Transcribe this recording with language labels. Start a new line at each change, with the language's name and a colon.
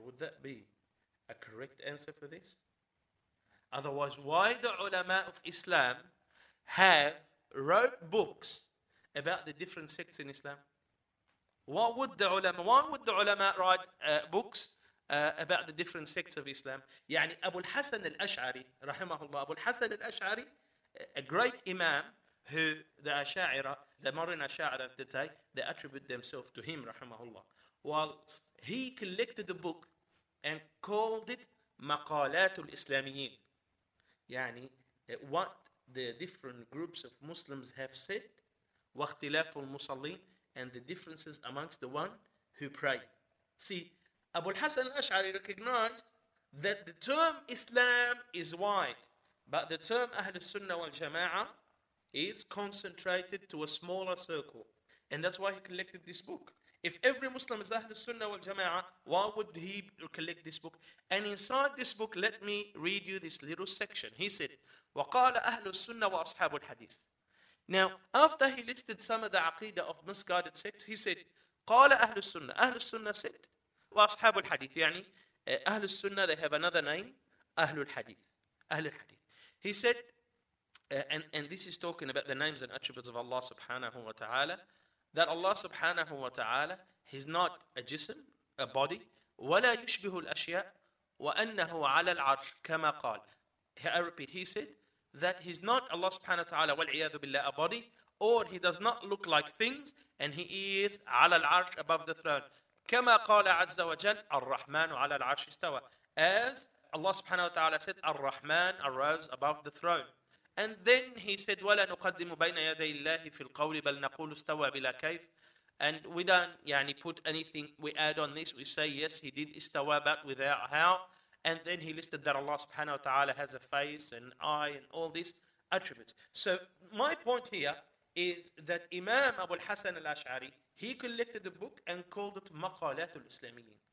English: Would that be a correct answer for this? Otherwise, why the ulama of Islam have wrote books about the different sects in Islam? Why would the ulama write books about the different sects of Islam?
Arabic: يعني أبو الحسن الأشعري رحمه الله.
English: أبو الحسن الأشعري, a great imam who the Ash'ari, the modern Ash'ari of the day, they attribute themselves to him
Arabic: رحمه الله.
English: Whilst he collected a book and called it مقالات الإسلاميين. يعني what the different groups of Muslims have said,
Arabic: واختلاف المصلين,
English: and the differences amongst the one who pray. See, Abu al-Hasan al-Ash'ari recognized that the term Islam is wide, but the term Ahl al-Sunnah wal-Jama'ah is concentrated to a smaller circle. And that's why he collected this book. If every Muslim is Ahl al-Sunnah wal-Jama'ah, why would he collect this book? And inside this book, let me read you this little section. He said,
Arabic: وَقَالَ أَهْلُ السُّنَّةِ وَأَصْحَابُ الْحَدِيثِ.
English: Now, after he listed some of the aqidah of misguided sects, he said,
Arabic: قَالَ أَهْلُ السُّنَّةِ. أَهْلُ السُّنَّةِ
English: said,
Arabic: وَأَصْحَابُ الْحَدِيثِ, يعني أهل السنة,
English: they have another name,
Arabic: أهل الحديث. أهل الحديث.
English: He said, and this is talking about the names and attributes of Allah subhanahu wa ta'ala, that Allah subhanahu wa ta'ala, he's not a jism, a body,
Arabic: وَلَا يُشْبِهُ الْأَشْيَاءَ وَأَنَّهُ عَلَى الْعَرْشِ كَمَا قَالَ.
English: I repeat, he said, that he's not Allah subhanahu wa ta'ala,
Arabic: وَالْعِيَاذُ بِاللَّهِ,
English: a body, or he does not look like things, and he is
Arabic: عَلَى الْعَرْشِ,
English: above the throne.
Arabic: كما قال عز وجل الرحمن على العرش استوى,
English: as Allah subhanahu wa ta'ala said, الرحمن arose above the throne. And then he said,
Arabic: ولا نقدم بين يدي الله في القول بل نقول استوى بلا كيف.
English: And we don't يعني put anything, we add on this, we say yes he did استوى but without how. And then he listed that Allah subhanahu wa ta'ala has a face and eye and all these attributes. So my point here is that Imam Abu al-Hasan al-Ash'ari, he collected the book and called it Maqalat al-Islamiyin.